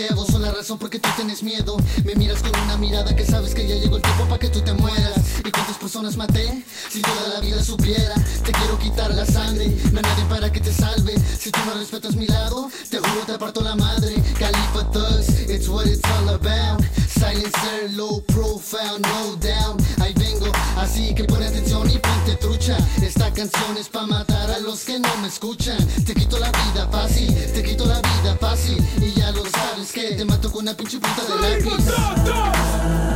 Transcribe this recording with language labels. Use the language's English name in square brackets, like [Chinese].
[Spanish] Son la razón porque tú tienes miedo. Me miras con una mirada que sabes que ya llegó el tiempo para que tú te mueras. ¿Y cuántas personas maté? Si toda la vida supiera. Te quiero quitar la sangre, no hay nadie para que te salve. Si tú no respetas mi lado, te juro te parto la madre. [English] Khalifa Thugs, it's what it's all about. Silencer, low profile, no doubt. [Spanish] Ahí vengo, así que pon atención y ponte trucha. Esta canción es pa' matar a los que no me escuchan. Te quito la vida fácil, te quito la vida fácil. Y ya lo sabes que te mato con una pinche puta de lápiz.